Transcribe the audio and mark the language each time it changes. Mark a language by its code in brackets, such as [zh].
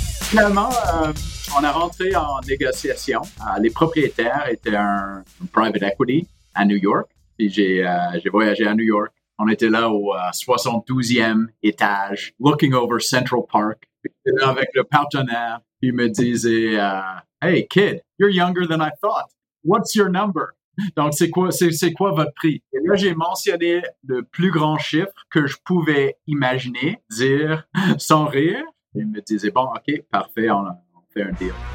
[fr] finalement, on a rentré en négociation. Les propriétaires étaient un private equity à New York. Puis j'ai voyagé à New York. On était là au 72e étage, [en] looking over Central Park. [fr] J'étais là avec le partenaire. Il me disait, [en] hey, kid, you're younger than I thought. What's your number? [fr] Donc, c'est quoi votre prix? Et là, j'ai mentionné le plus grand chiffre que je pouvais imaginer, dire sans rire. Il me disait, bon, OK, parfait, on fait un deal.